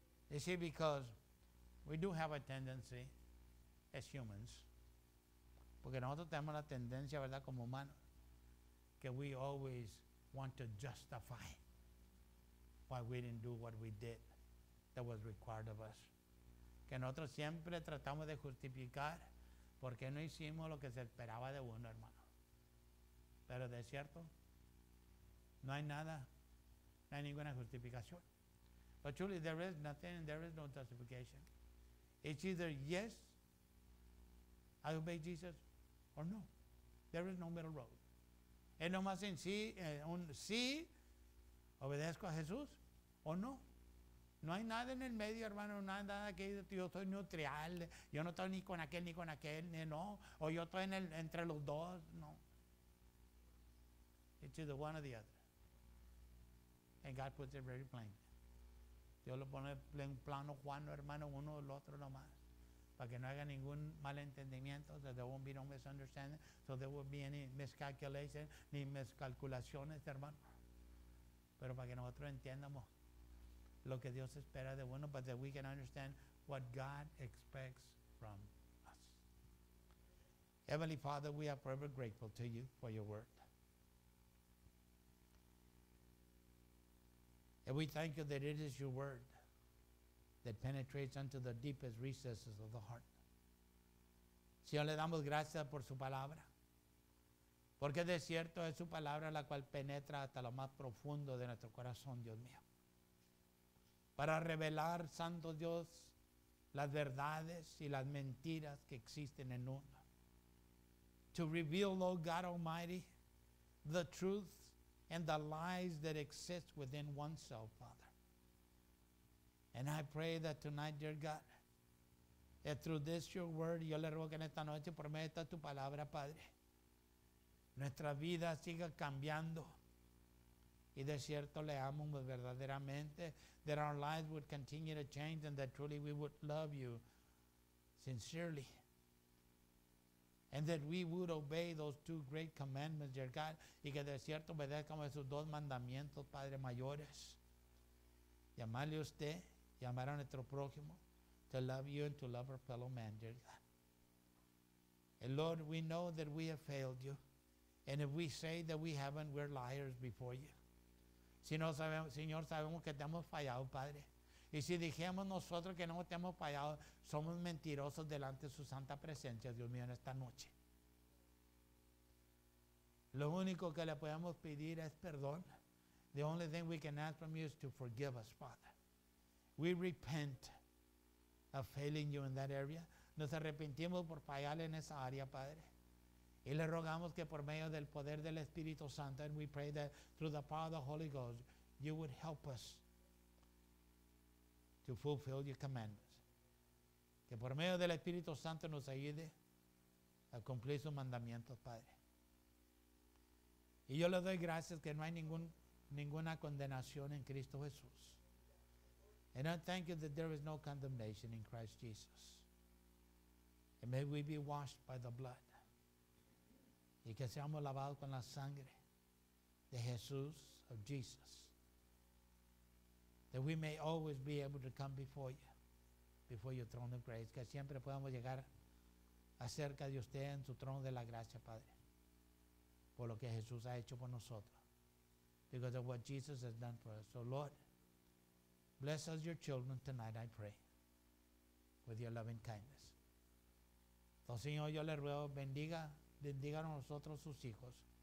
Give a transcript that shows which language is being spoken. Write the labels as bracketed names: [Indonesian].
[English] You see, because we do have a tendency as humans, [Spanish] porque nosotros tenemos la tendencia, ¿verdad?, como humanos, que [English] we always want to justify why we didn't do what we did that was required of us. [Spanish] Que nosotros siempre tratamos de justificar por qué no hicimos lo que se esperaba de uno, hermano. Pero de cierto, no hay nada, no hay ninguna justificación. [English] But truly, there is nothing, there is no justification. It's either yes, I obey Jesus, or no. There is no middle road. [Spanish] Es nomás en sí, un sí, obedezco a Jesús, o no. No hay nada en el medio, hermano, nada que yo soy neutral, yo no estoy ni con aquel, ni no, o yo estoy entre los dos, no. [English] It's either one or the other. And God puts it very plain. [Spanish] Dios lo pone en plano Juan, hermano, uno o el otro nomás. Para que no haya ningún malentendimiento. [English] So there won't be no misunderstanding. So there won't be any miscalculation, [Spanish] ni miscalculaciones, hermano. Pero para que nosotros entendamos lo que Dios espera de uno. [English] But that we can understand what God expects from us. Heavenly Father, we are forever grateful to you for your word. And we thank you that it is your word that penetrates unto the deepest recesses of the heart. [Spanish] Señor, le damos gracias por su palabra. Porque de cierto es su palabra la cual penetra hasta lo más profundo de nuestro corazón, Dios mío. Para revelar, Santo Dios, las verdades y las mentiras que existen en uno. [English] To reveal, oh God Almighty, the truth and the lies that exist within oneself, Father. And I pray that tonight, dear God, that through this your word, [Spanish] yo le ruego que en esta noche por medio de tu palabra, Padre, nuestra vida siga cambiando. Y de cierto le amo verdaderamente, [English] that our lives would continue to change and that truly we would love you sincerely. And that we would obey those two great commandments, dear God. [Spanish] Y que de cierto obedezcamos esos dos mandamientos, Padre, mayores. Llamarle a usted, llamar a nuestro prójimo. [English] To love you and to love our fellow man, dear God. And Lord, we know that we have failed you. And if we say that we haven't, we're liars before you. [Spanish] Si no sabemos, Señor, sabemos que te hemos fallado, Padre. Y si dijimos nosotros que no te hemos fallado, somos mentirosos delante de su santa presencia, Dios mío, en esta noche. Lo único que le podemos pedir es perdón. [English] The only thing we can ask from you is to forgive us, Father. We repent of failing you in that area. [Spanish] Nos arrepentimos por fallar en esa área, Padre. Y le rogamos que por medio del poder del Espíritu Santo, [English] and we pray that through the power of the Holy Ghost, you would help us to fulfill your commandments. [Spanish] Que por medio del Espíritu Santo nos ayude a cumplir sus mandamientos, Padre. Y yo le doy gracias que no hay ninguna condenación en Cristo Jesús. [English] And I thank you that there is no condemnation in Christ Jesus. And may we be washed by the blood. [Spanish] Y que seamos lavados con la sangre de Jesús, of Jesus. [English] That we may always be able to come before your throne of grace. [Spanish] Que siempre podamos llegar acerca de usted en su trono de la gracia, Padre. Por lo que Jesús ha hecho por nosotros. [English] Because of what Jesus has done for us. So Lord, bless us your children tonight, I pray. With your loving kindness. [Spanish] Entonces, Señor, yo le ruego, bendiga a nosotros sus hijos.